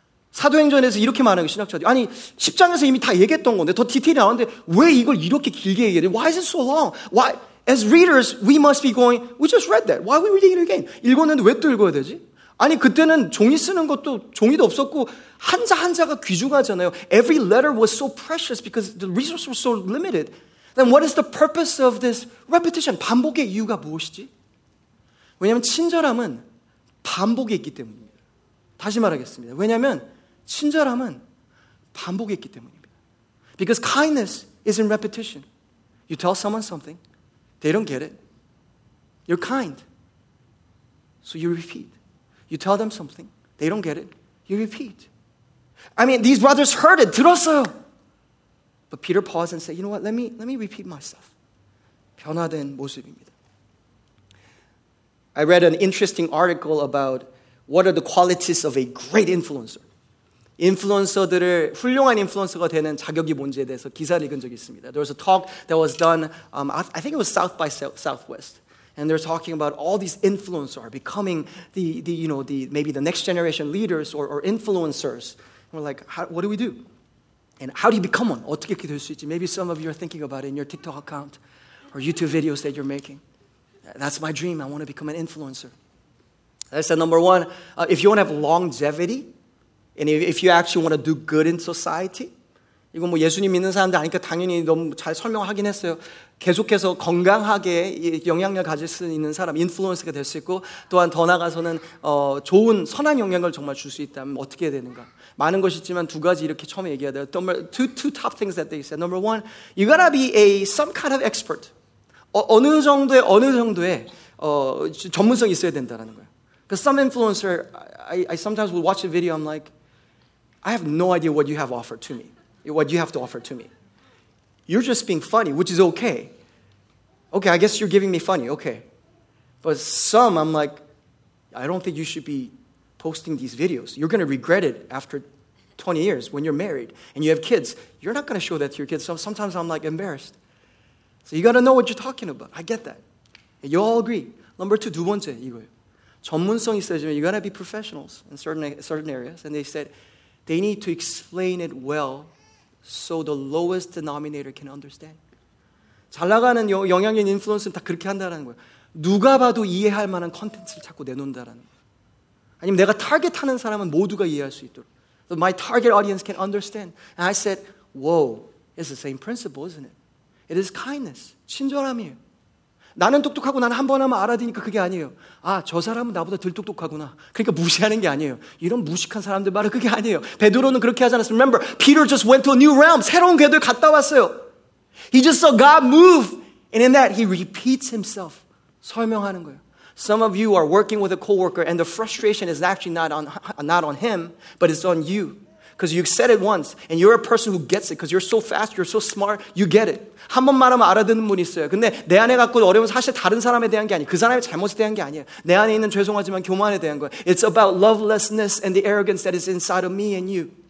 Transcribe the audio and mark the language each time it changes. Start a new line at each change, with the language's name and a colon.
Korean: 사도행전에서 이렇게 말하는 거예요, 신학자들이. 아니, 10장에서 이미 다 얘기했던 건데, 더 디테일이 나왔는데, 왜 이걸 이렇게 길게 얘기해?
English: Why is it so long? Why, as readers, we must be going, we just read that. Why are we reading it again?
Korean: 읽었는데 왜 또 읽어야 되지? 아니, 그때는 종이 쓰는 것도, 종이도 없었고, 한자 한자가 귀중하잖아요.
English: Every letter was so precious because the resources were so limited. Then what is the purpose of this repetition?
Korean: 반복의 이유가 무엇이지? 왜냐면 친절함은 반복이 있기 때문이에요. 다시 말하겠습니다. 왜냐하면 친절함은 반복이 있기 때문입니다.
English: Because kindness is in repetition. You tell someone something, they don't get it. You're kind, so you repeat. You tell them something, they don't get it. You repeat. I mean, these brothers heard it,
Korean: 들었어요.
English: But Peter paused and said, you know what, let me repeat myself.
Korean: 변화된 모습입니다.
English: I read an interesting article about What are the qualities of a great influencer?
Korean: 인플루언서들을 훌륭한 인플루언서가 되는 자격이 뭔지에 대해서 기사를 읽은 적이 있습니다.
English: There was a talk that was done, I think it was South by Southwest. And they're talking about all these influencers are becoming maybe the next generation leaders or influencers. And we're like, what do we do? And how do you become one?
Korean: 어떻게 이렇게 될 수 있지?
English: Maybe some of you are thinking about it in your TikTok account or YouTube videos that you're making. That's my dream. I want to become an influencer. I said, number one, if you want to have longevity, and if you actually want to do good in society,
Korean: 이건 뭐 예수님 믿는 사람들 아니니까 당연히 너무 잘 설명하긴 했어요. 계속해서 건강하게 영향력 가질 수 있는 사람, 인플루언서가 될 수 있고, 또한 더 나아가서는 좋은 선한 영향을 정말 줄 수 있다면 어떻게 해야 되는가? 많은 것이 있지만 두 가지 이렇게 처음에 얘기해야 돼요.
English: Two top things that they said. Number one, you gotta be a some kind of expert.
Korean: 어느 정도의 전문성이 있어야 된다는 거예요.
English: Because some influencer, I sometimes will watch a video, I'm like, I have no idea what you have offered to me, what you have to offer to me. You're just being funny, which is okay. Okay, I guess you're giving me funny, okay. But some, I'm like, I don't think you should be posting these videos. You're going to regret it after 20 years when you're married and you have kids. You're not going to show that to your kids. So sometimes I'm like embarrassed. So you got to know what you're talking about. I get that. And you all agree. Number two,
Korean: 두 번째, 이거예요. 전문성이 있어야지만
English: you gotta be professionals in certain areas. And they said they need to explain it well so the lowest denominator can understand.
Korean: 잘나가는 영향력 인플루언서는 다 그렇게 한다는 거예요. 누가 봐도 이해할 만한 컨텐츠를 자꾸 내놓는다는 거예요. 아니면 내가 타겟하는 사람은 모두가 이해할 수 있도록.
English: So my target audience can understand. And I said, whoa, it's the same principle, isn't it? It is kindness,
Korean: 친절함이에요. 나는 똑똑하고 나는 한번 하면 알아듣니까 그게 아니에요. 아, 저 사람은 나보다 덜 똑똑하구나. 그러니까 무시하는 게 아니에요. 이런 무식한 사람들 말은 그게 아니에요. 베드로는 그렇게 하지 않았어요.
English: Remember, Peter just went to a new realm.
Korean: 새로운 궤도에 갔다 왔어요.
English: He just saw God move. And in that, he repeats himself.
Korean: 설명하는 거예요.
English: Some of you are working with a coworker and the frustration is actually not on him, but it's on you. Because you said it once, and you're a person who gets it, because you're so fast, you're so smart, you get it.
Korean: 한 번 말하면 알아듣는 분 있어요. 근데 내 안에 갖고 어려움은 사실 다른 사람에 대한 게 아니에요. 그 사람의 잘못에 대한 게 아니에요. 내 안에 있는 죄송하지만 교만에 대한 거예요.
English: It's about lovelessness and the arrogance that is inside of me and you.